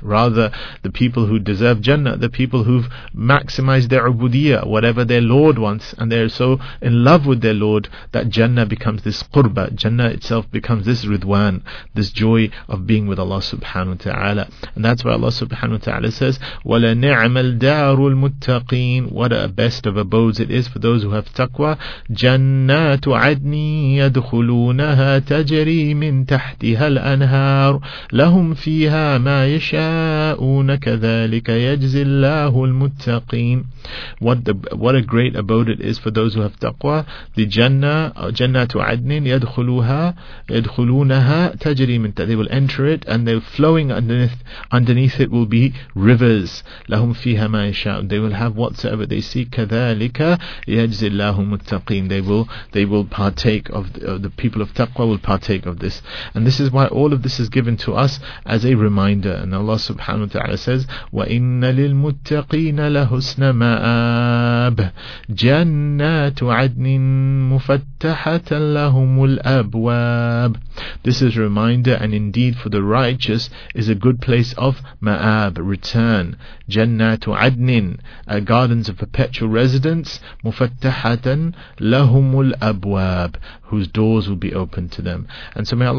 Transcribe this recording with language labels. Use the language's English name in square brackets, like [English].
[English] Rather, the people who deserve Jannah, the people who've maximized their ubudiyah, whatever their Lord wants, and they're so in love with their Lord that Jannah becomes this qurba, Jannah itself becomes this ridwan, this joy of being with Allah subhanahu wa ta'ala. And that's why Allah subhanahu wa ta'ala says, [Arabic] وَلَنِعْمَ الدَّارُ الْمُتَّقِينَ. [English] What a best of abodes it is for those who have taqwa. [Arabic] جَنَّاتُ عَدْنِي يَدْخُلُونَهَا تَجْرِي من تحتها الأنهار لهم فيها ما يشاءون كذلك يجزي الله المتقين. [English] What a great abode it is for those who have taqwa. The Jannah, Jannatu Adnin, yadkhulunaha tajri min tahtiha. They will enter it, and they're flowing underneath it will be rivers. [Arabic] لهم فيها ما يشاءون. [English] They will have whatsoever they seek. [Arabic] كذلك يجزي الله المتقين. [English] They will partake of the people of taqwa will partake of this. And this is why all of this is given to us as a reminder. And Allah subhanahu wa ta'ala says, [Arabic] وَإِنَّ لِلْمُتَّقِينَ لَهُسْنَ مَآبٌ جَنَّاتُ عَدْنٍ مُفَتَّحَةً لَهُمُ الْأَبْوَابُ. [English] This is a reminder, and indeed for the righteous is a good place of ma'ab, return. [Arabic] جَنَّاتُ عَدْنٍ, [English] gardens of perpetual residence. [Arabic] مُفَتَّحَةً لَهُمُ الْأَبْوَابُ, [English] whose doors will be opened to them. And so may Allah